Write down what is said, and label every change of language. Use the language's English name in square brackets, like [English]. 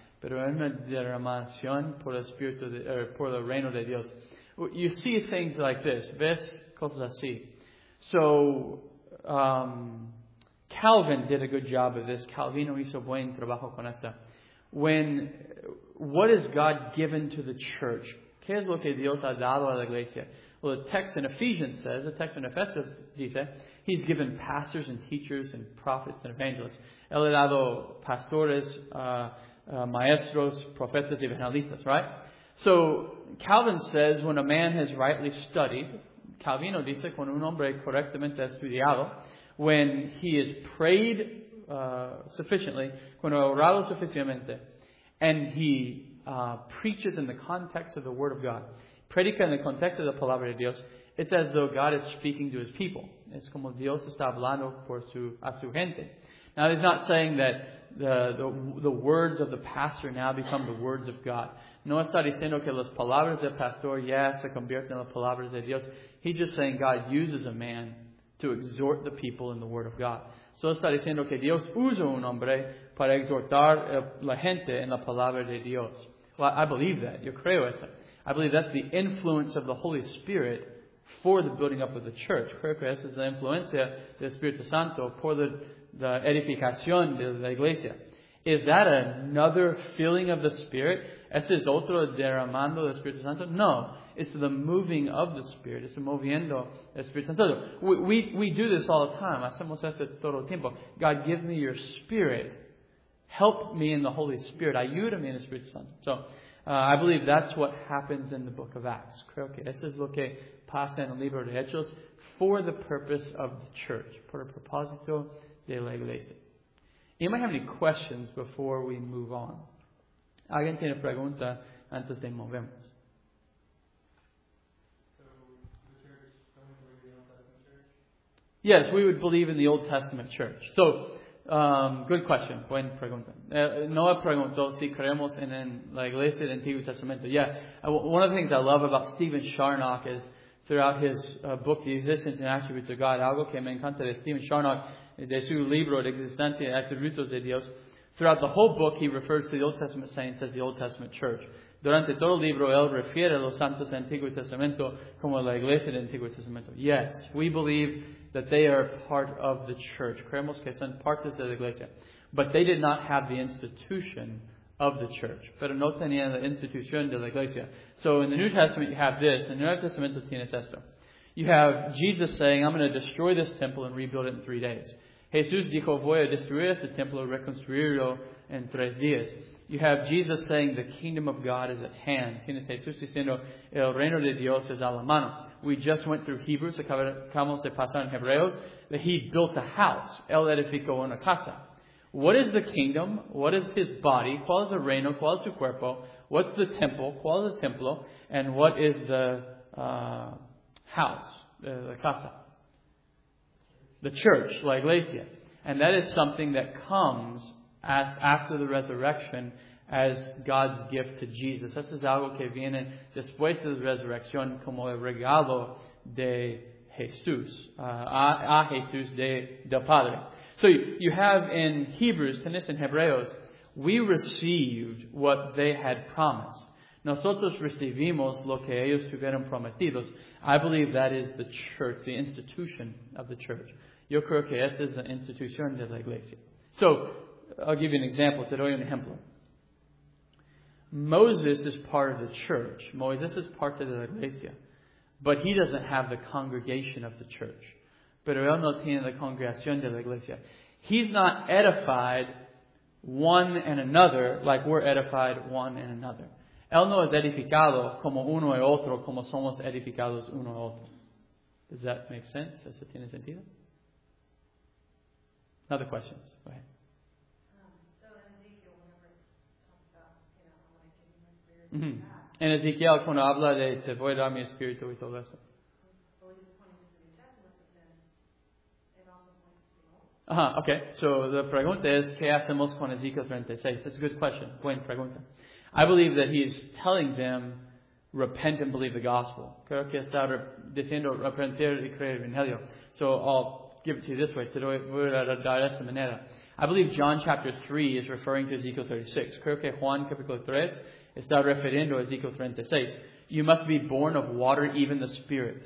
[Spanish] Pero es una derramación por el Espíritu de, por el reino de Dios. [English] You see things like this. [Spanish] Ves cosas así. [English] So, Calvin did a good job of this. [Spanish] Calvino hizo buen trabajo con esta. [English] When, what has God given to the church? [Spanish] ¿Qué es lo que Dios ha dado a la iglesia? [English] Well, the text in Ephesians says, the text in Ephesus dice, he's given pastors and teachers and prophets and evangelists. [Spanish] Él ha dado pastores, maestros, profetas, evangelistas, right? [English] So, Calvin says, when a man has rightly studied, [Spanish] Calvino dice, cuando un hombre correctamente ha estudiado, [English] when he has prayed sufficiently, [Spanish] cuando ha orado suficientemente, [English] and he preaches in the context of the Word of God, [Spanish] predica en el contexto de la palabra de Dios, [English] it's as though God is speaking to his people. [Spanish] Es como Dios está hablando por a su gente. [English] Now, he's not saying that the words of the pastor now become the words of God. [Spanish] No está diciendo que las palabras del pastor ya se convierten en las palabras de Dios. [English] He's just saying God uses a man to exhort the people in the Word of God. [Spanish] So está diciendo que Dios usa un hombre para exhortar la gente en la palabra de Dios. [English] Well, I believe that. [Spanish] Yo creo eso. [English] I believe that's the influence of the Holy Spirit for the building up of the church. [Spanish] Creo que esa es la influencia del Espíritu Santo por la edificación de la iglesia. [English] Is that another filling of the Spirit? [Spanish] ¿Ese es otro derramando del Espíritu Santo? No. [English] It's [Spanish] the moving of the Spirit. It's moviendo el Espíritu Santo. [English] We do this all the time. [Spanish] Hacemos esto todo el tiempo. [English] God, give me your Spirit. Help me in the Holy Spirit. [Spanish] Ayúdame en el Espíritu Santo. [English] So, I believe that's what happens in the book of Acts. [Spanish] Creo que eso es lo que pasa en el libro de Hechos [English] for the purpose of the church, [Spanish] por el propósito de la iglesia. [English] You might have any questions before we move on. [Spanish] ¿Alguien tiene pregunta antes de movemos? [English] So, the church, don't believe the Old Testament church? Yes, we would believe in the Old Testament church. So, Good question. [Spanish] Buen pregunta. Noah preguntó si creemos en la iglesia del Antiguo Testamento. [English] Yeah. One of the things I love about Stephen Charnock is throughout his book, The Existence and Attributes of God, [Spanish] algo que me encanta de Stephen Charnock, de su libro, De Existencia y Atributos de Dios, [English] throughout the whole book, he refers to the Old Testament saints as the Old Testament church. [Spanish] Durante todo el libro, él refiere a los santos del Antiguo Testamento como la iglesia del Antiguo Testamento. [English] Yes, we believe that they are part of the church. [Spanish] Creemos que son partes de la iglesia. [English] But they did not have the institution of the church. [Spanish] Pero no tenían la institución de la iglesia. [English] So in the New Testament, you have this. In the [Spanish] Nuevo Testamento, tienes esto. [English] You have Jesus saying, I'm going to destroy this temple and rebuild it in 3 days. [Spanish] Jesús dijo, voy a destruir este templo y reconstruirlo en 3 días. [English] You have Jesus saying, the kingdom of God is at hand. [Spanish] Tienes Jesús diciendo, el reino de Dios es a la mano. [English] We just went through Hebrews, [Spanish] acabamos de pasar en Hebreos, [English] that he built a house. [Spanish] Él edificó una casa. [English] What is the kingdom? What is his body? [Spanish] ¿Cuál es el reino? ¿Cuál es su cuerpo? [English] What's the temple? [Spanish] ¿Cuál es el templo? [English] And what is the house, the casa? The church, [Spanish] la iglesia. [English] And that is something that comes after the resurrection as God's gift to Jesus. [Spanish] Eso es algo que viene después de la resurrección como el regalo de Jesús, a Jesús del Padre. [English] So you have in Hebrews, [Spanish] tenés en Hebreos, [English] we received what they had promised. [Spanish] Nosotros recibimos lo que ellos tuvieron prometidos. [English] I believe that is the church, the institution of the church. [Spanish] Yo creo que esa es la institución de la iglesia. [English] So, I'll give you an example. [Spanish] Te doy un ejemplo. [English] Moses is part of the church. Moisés is part of [Spanish] la iglesia. [English] But he doesn't have the congregation of the church. [Spanish] Pero él no tiene la congregación de la iglesia. [English] He's not edified one and another like we're edified one and another. [Spanish] Él no es edificado como uno y otro, como somos edificados uno y otro. [English] Does that make sense? [Spanish] ¿Eso tiene sentido? [English] Other questions. Go ahead. Mm-hmm. [Spanish] En Ezequiel, cuando habla de te voy a dar mi espíritu y todo eso. [English] Okay. So the [Spanish] pregunta es, ¿qué hacemos con Ezequiel 36? [English] That's a good question. [Spanish] Buena pregunta. [English] I believe that he's telling them, repent and believe the gospel. [Spanish] Creo que está diciendo arrepentir y creer el evangelio. [English] So I'll give it to you this way. [Spanish] Te voy a dar de esta manera. [English] I believe John chapter 3 is referring to Ezequiel 36. [Spanish] Creo que Juan capítulo 3 está refiriendo a Ezequiel 36. [English] You must be born of water, even the Spirit.